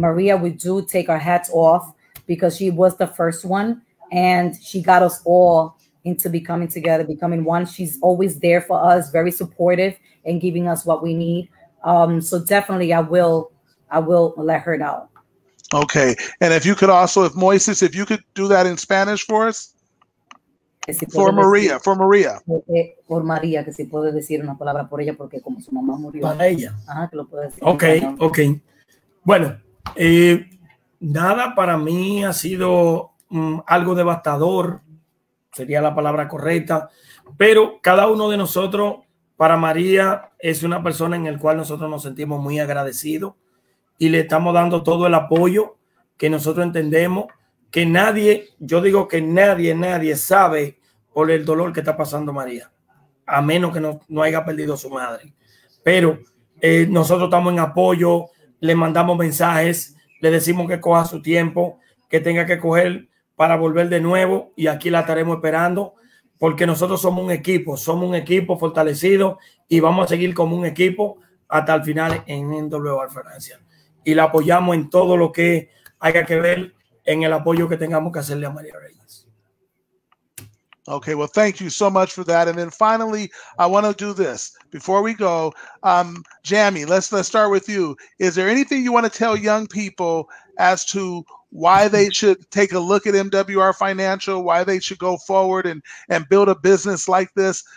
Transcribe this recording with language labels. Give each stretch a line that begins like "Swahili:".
English: Maria, we do take our hats off because she was the first one and she got us all into becoming together, becoming one. She's always there for us, very supportive and giving us what we need. So definitely I will let her know. Okay. And if you could also, if Moises, if you could do that in Spanish for us. For Maria.
Spanish: Por María, que si puede decir una palabra por ella, porque como su mamá murió. Para ella. Ajá, que lo puede decir. Ok. Bueno, nada, para mí ha sido algo devastador, sería la palabra correcta, pero cada uno de nosotros, para María, es una persona en la cual nosotros nos sentimos muy agradecidos y le estamos dando todo el apoyo que nosotros entendemos. Que nadie, yo digo que nadie sabe por el dolor que está pasando María, a menos que no haya perdido a su madre. Pero nosotros estamos en apoyo, le mandamos mensajes, le decimos que coja su tiempo, que tenga que coger para volver de nuevo, y aquí la estaremos esperando, porque nosotros somos un equipo fortalecido, y vamos a seguir como un equipo hasta el final en NWR Francia. Y la apoyamos en todo lo que haya que ver en el apoyo que tengamos que hacerle a María Reyes.
English: Okay, well, thank you so much for that. And then finally, I want to do this. Before we go, Jamie, let's start with you. Is there anything you want to tell young people as to why they should take a look at MWR Financial, why they should go forward and build a business like this.